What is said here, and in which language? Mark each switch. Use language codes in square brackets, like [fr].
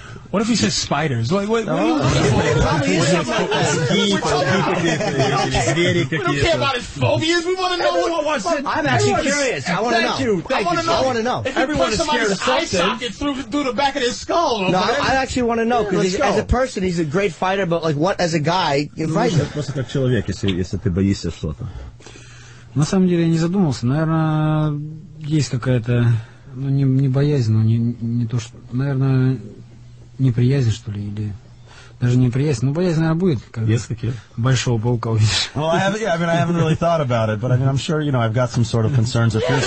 [en] what if he says spiders? Like, what? No. We don't care about his phobias. We want to know what was it. I'm actually curious. I want to know. Thank you. Everyone is scared of something. Okay? No, I actually want to know because as a person, he's a great fighter. But like, what as a guy? [ru] Просто как человек, если ты боишься что-то. На самом деле, я не задумывался. Наверное, есть какая-то, ну не боязнь, но не то что, наверное. Неприязнь, что ли, или... Даже неприязнь. Ну, боязнь, наверное, будет. Большого паука увидишь. [en] Well, I haven't really thought about it, but I mean, I'm sure, you know, I've got some sort of concerns or fears.